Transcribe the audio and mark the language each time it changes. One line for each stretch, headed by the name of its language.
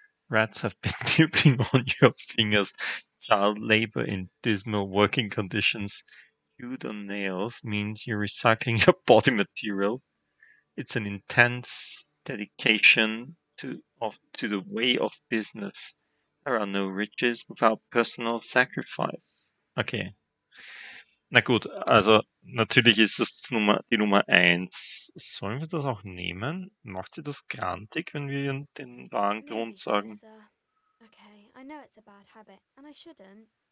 English: Rats have been nibbling on your fingers. Child labor in dismal working conditions. Chewed on nails means you're recycling your body material. It's an intense dedication to the way of business. There are no riches without personal sacrifice. Okay.
German: Na gut, also natürlich ist das die Nummer 1. Sollen wir das auch nehmen? Macht ihr das grantig, wenn wir den wahren Grund sagen?
English: Okay, I know it's a bad habit, and I shouldn't.